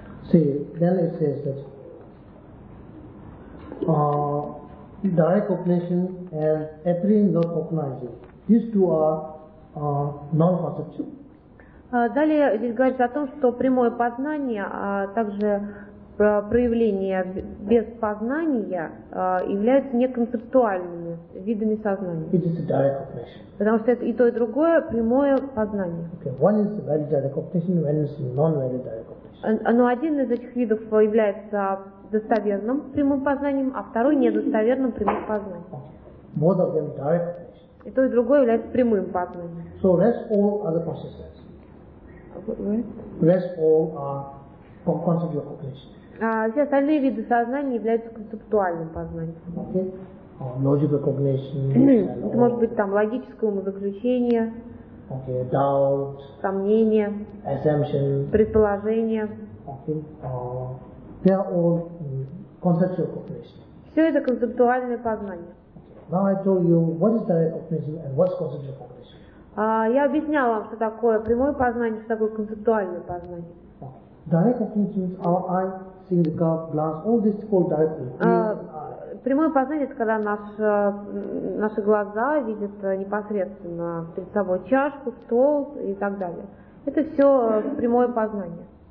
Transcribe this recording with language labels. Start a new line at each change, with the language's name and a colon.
English: See, then it says that direct cognition and appearing not cognizing. These two are non-perceptual.
Russian: Далее здесь говорится о том, что прямое познание, а также проявления без познания являются неконцептуальными видами сознания.
English: It is a direct cognition.
Russian: Потому что это и то, и другое прямое познание.
English: Okay. One is valid direct cognition, one is non-valid direct cognition.
Russian: Но один из этих видов является достоверным прямым познанием, а второй недостоверным прямым познанием.
English: Both of them direct.
Russian: И то, и другое является прямым познанием.
English: So rest all other processes. Rest all are conceptual cognition.
Russian: Все остальные виды сознания являются концептуальным познанием.
English: Okay. Logical cognition.
Russian: Это может быть там логическое умозаключение.
English: Okay. Doubt.
Russian: Сомнение.
English: Assumption.
Russian: Предположение.
English: Okay. They are all conceptual cognition.
Russian: Все это концептуальное познание.
English: Now I told you what is direct cognition and what's conceptual cognition.
Russian: Я объяснял вам, что такое прямое познание, что такое концептуальное познание.
English: Direct cognition is our eye, seeing the car, glass, all this is called direct cognition.
Russian: Прямое познание — это когда наши глаза видят непосредственно перед собой чашку, стол и так далее. Это все прямое познание.